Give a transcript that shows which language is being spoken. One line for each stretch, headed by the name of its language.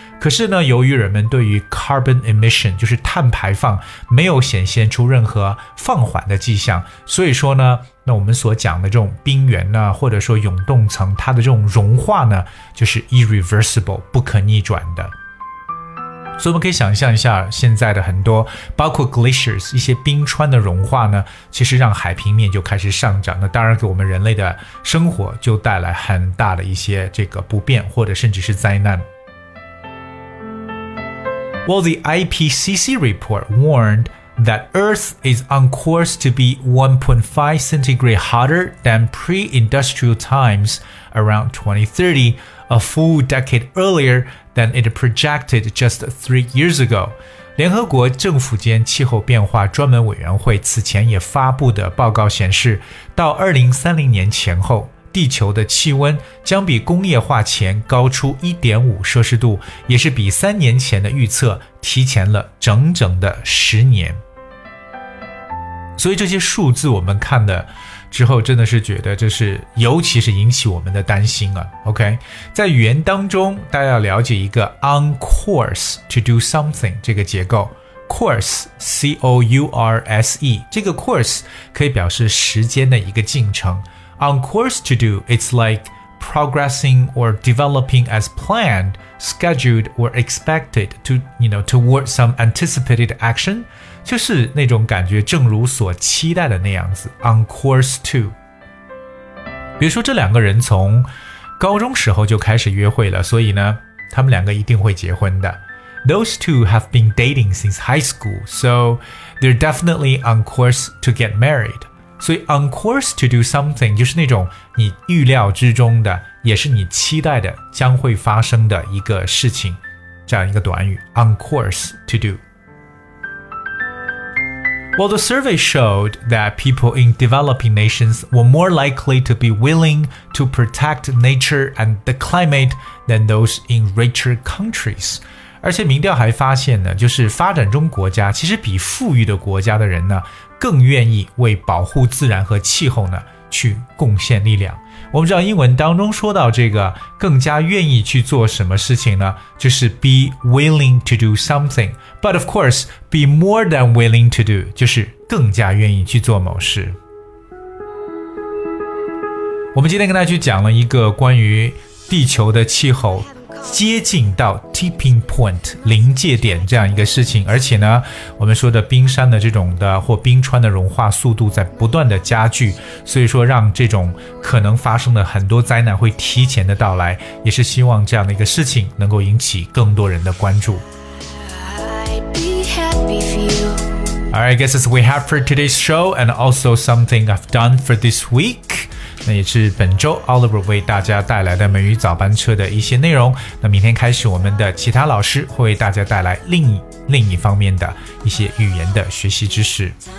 Chinese: 可是呢，由于人们对于 carbon emission 就是碳排放没有显现出任何放缓的迹象，所以说呢，那我们所讲的这种冰原呢，或者说永冻层，它的这种融化呢，就是 irreversible 不可逆转的。所以我们可以想象一下，现在的很多包括 glaciers 一些冰川的融化呢，其实让海平面就开始上涨，那当然给我们人类的生活就带来很大的一些这个不便或者甚至是灾难。
English: Well, the IPCC report warned that Earth is on course to be 1.5 centigrade hotter than pre-industrial times around 2030, a full decade earlier than it projected just 3 years ago.
Chinese: 联合国政府间气候变化专门委员会此前也发布的报告显示，到2030年前后，地球的气温将比工业化前高出 1.5 摄氏度，也是比三年前的预测提前了整整的十年。所以这些数字我们看的之后真的是觉得这是尤其是引起我们的担心啊。 OK， 在语言当中大家要了解一个 on course to do something 这个结构， course C-O-U-R-S-E， 这个 course 可以表示时间的一个进程。
English: on course to do it's like progressing or developing as planned, scheduled or expected to, you know, toward some anticipated action.
Chinese: 就是那种感觉正如所期待的那样子， on course to. 比如说这两个人从高中时候就开始约会了，所以呢他们两个一定会结婚的。
English: Those two have been dating since high school, so they're definitely on course to get married.
Chinese: 所以 on course to do something 就是那种你预料之中的，也是你期待的将会发生的一个事情，这样一个短语 on course to do。
English: Well, the survey showed that people in developing nations were more likely to be willing to protect nature and the climate than those in richer countries。
Chinese: 而且民调还发现呢，就是发展中国家其实比富裕的国家的人呢更愿意为保护自然和气候呢去贡献力量。我们知道英文当中说到这个更加愿意去做什么事情呢，就是 be willing to do something,
English: but of course be more than willing to do
Chinese: 就是更加愿意去做某事。我们今天跟大家去讲了一个关于地球的气候接近到 tipping point 临界点这样一个事情，而且呢我们说的冰山的这种的或冰川的融化速度在不断的加剧，所以说让这种可能发生的很多灾难会提前的到来，也是希望这样的一个事情能够引起更多人的关注。
English: Alright, I guess that's what we have for today's show and also something I've done for this week。
Chinese: 那也是本周 Oliver 为大家带来的美语早班车的一些内容。那明天开始，我们的其他老师会为大家带来另一方面的一些语言的学习知识。